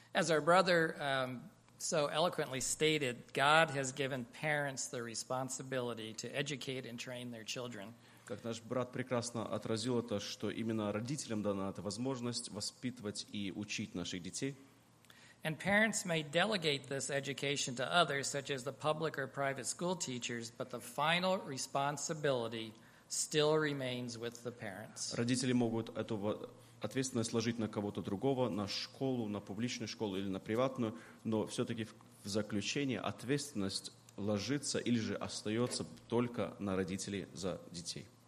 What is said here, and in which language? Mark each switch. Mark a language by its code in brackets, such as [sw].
[en] As our brother so eloquently stated, God has given parents the responsibility to educate and train their children. [ru] Как наш брат прекрасно отразил это, что именно родителям дана эта возможность воспитывать и учить наших детей. [en] And parents may delegate this education to others, such as the public or private school teachers, but the final responsibility still remains with the parents. [ru] Родители могут эту ответственность сложить на кого-то другого, на школу, на публичную школу или на приватную, но все-таки в заключение ответственность ложится или же остается только на родителей за детей.